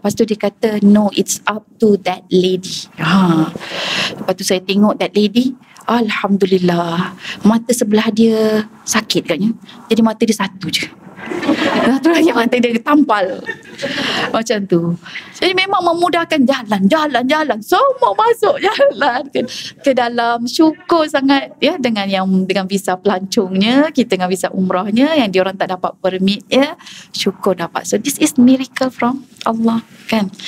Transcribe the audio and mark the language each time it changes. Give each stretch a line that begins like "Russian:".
Malay: Lepas tu dia kata,
English: no, it's up to that lady.
Malay: Ha. Lepas tu saya tengok
English: that lady.
Malay: Alhamdulillah, mata sebelah dia sakit katnya. Jadi mata dia satu je. Satu lagi mata dia tampal. Macam tu. Jadi memang memudahkan jalan. Semua masuk jalan ke dalam. Syukur sangat ya dengan visa pelancongnya, kita dengan visa umrahnya yang diorang tak dapat permit ya. Syukur dapat.
English: So this is miracle from Allah kan.